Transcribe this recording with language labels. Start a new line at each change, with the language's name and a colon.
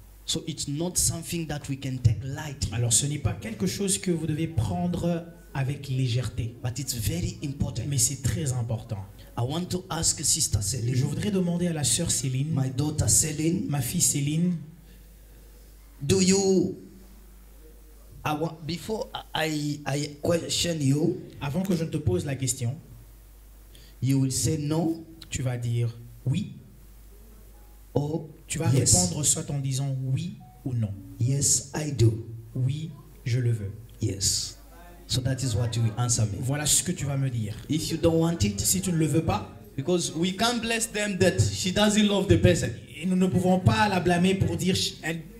English: So it's not something that we can take lightly.
French: Alors ce n'est pas quelque chose que vous devez prendre avec légèreté.
English: But it's very important.
French: Mais c'est très important.
English: I want to ask Sister Celine.
French: Je voudrais demander à la sœur Céline.
English: My daughter Celine.
French: Ma fille Céline.
English: Do you? Before I question you,
French: avant que je ne te pose la question,
English: you will say no.
French: Tu vas dire oui. Oh, tu vas
English: yes.
French: Répondre soit en disant oui ou non.
English: Yes, I do.
French: Oui, je le veux.
English: Yes. So that is what you will answer me.
French: Voilà ce que tu vas me dire.
English: If you don't want it,
French: si tu ne le veux pas,
English: because we can't bless them that she doesn't love the person.
French: Et nous ne pouvons pas la blâmer pour dire elle.